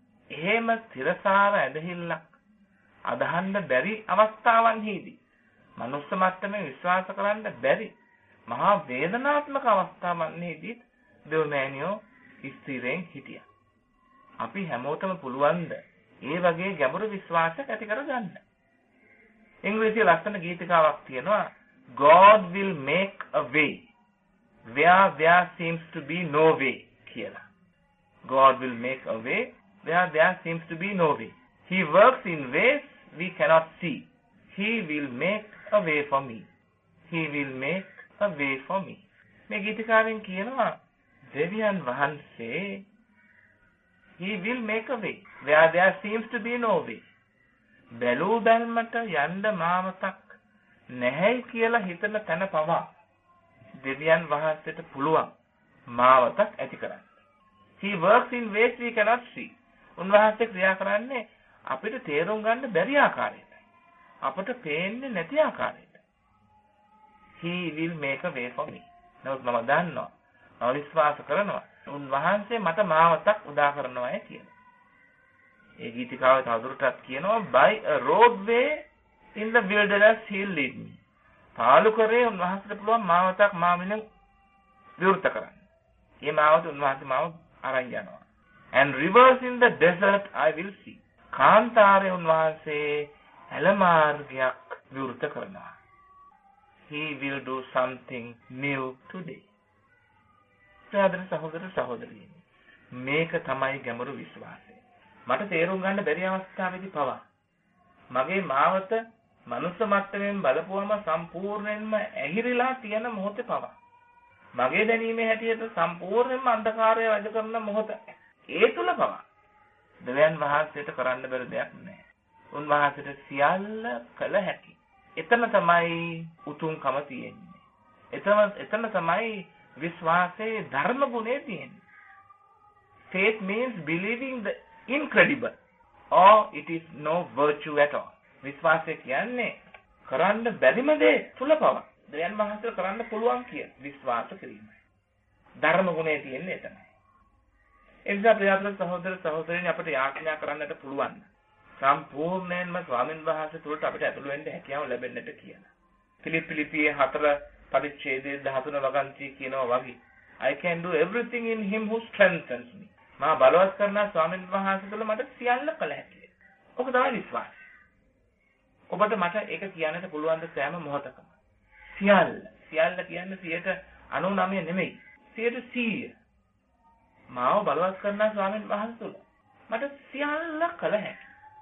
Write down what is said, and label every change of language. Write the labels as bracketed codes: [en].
[si] එහෙම තිරසාර ඇදහිල්ලක් අදහන්න බැරි අවස්ථාවන්හිදී මනුස්ස මට්ටමේ විශ්වාස කරන්න බැරි මහා වේදනාත්මක අවස්ථාවන්හිදී දෙවමෑනියෝ ස්ථිරෙන් හිටියා. අපි හැමෝටම පුළුවන්ද ඒ වගේ ගැඹුරු විශ්වාසයක් ඇති කරගන්න? ඉංග්‍රීසි ලස්සන ගීතිකාවක් තියෙනවා [en] God will make a way. Where seems to be no way kiyala. God will make a way where seems to be no way. He works in ways we cannot see. He will make a way for me. He will make a way for me. [si] මේ ගීතකාරෙන් කියනවා දෙවියන් වහන්සේ [en] He will make a way where seems to be no way. [si] බැලූ බැල්මට යන්න මාවතක් නැහැයි කියලා හිතන තැන පවා දෙවියන් වහන්සේට පුළුවන් මාවතක් ඇති කරන්න. [en] He works in ways we cannot see. [si] උන්වහන්සේ ක්‍රියා කරන්නේ අපිට තේරුම් ගන්න බැරි ආකාරයට, අපට පේන්නේ නැති ආකාරයට. [en] He will make a way for me. [si] නමුත් මම දන්නවා, මම විශ්වාස කරනවා, උන්වහන්සේ මට මාවතක් උදා කරනවායි කියලා. ඒ ගීතිකාව තවදුරටත් කියනවා, [en] By a roadway in the wilderness he'll lead me. [si] පාලු කරේ උන්වහන්සේට පුළුවන් මාවතක් මාමින විවෘත කරන්න. ඒ මාවත උන්වහන්සේ මාව අරන් යනවා. [en] And rivers in the desert I will see. [si] කාන්තාරේ උන්වහන්සේ ඇල මාර්ගයක් විවෘත කරනවා. [en] He will do something new today. [si] සහෝදර සහෝදර සහෝදරියනි, මේක තමයි ගැඹුරු විශ්වාසය. මට තේරුම් ගන්න බැරි අවස්ථාවේදී පවා මගේ මාවත මනුස්ස මට්ටමින් බලපුවම සම්පූර්ණයෙන්ම ඇහිරිලා තියෙන මොහොතේ පවා මගේ දැනීමේ හැටියට සම්පූර්ණයෙන්ම අන්ධකාරය වැඩ කරන මොහොත ඒ තුල පවා දෙවියන් වහන්සේට කරන්න බැරි දෙයක් නැහැ. උන්වහන්සේට සියල්ල කළ හැකි. එතන තමයි උතුම්කම තියෙන්නේ. එතන තමයි විශ්වාසයේ ධර්ම ගුණය තියෙන්නේ. [en] Faith means believing the incredible or it is no virtue at all. [si] විශ්වාසය කියන්නේ කරන්න බැරිම දේ තුල පව දෙයන් මහත්තර කරන්න පුළුවන් කිය විශ්වාස කිරීම. ධර්ම ගුණය තියෙන්නේ එතනයි. එනිසා ප්‍රියතර සහෝදර සහෝදරයන් අපිට යාඥා කරන්නට පුළුවන් සම්පූර්ණයෙන්ම ස්වාමීන් වහන්සේ තුලට අපිට ඇතුළු වෙන්න හැකියාව ලැබෙන්නට කියන. ෆිලිප්පීයේ 4 පරිච්ඡේදයේ 13 වගන්ති කියනවා වගේ [en] I can do everything in him who strengthens me. [si] මා බලවත් කරන ස්වාමීන් වහන්සේ තුල මට සියල්ල කළ හැකියි. ඔක තමයි විශ්වාසය. ඔබට මට ඒක කියන්නට පුළුවන් ද සෑම මොහොතකම. සියල්ල කියන්නේ 99 නෙමෙයි. 100. මාව බලවත් කරන ස්වාමීන් වහන්සේ තුල මට සියල්ල කළ හැකියි.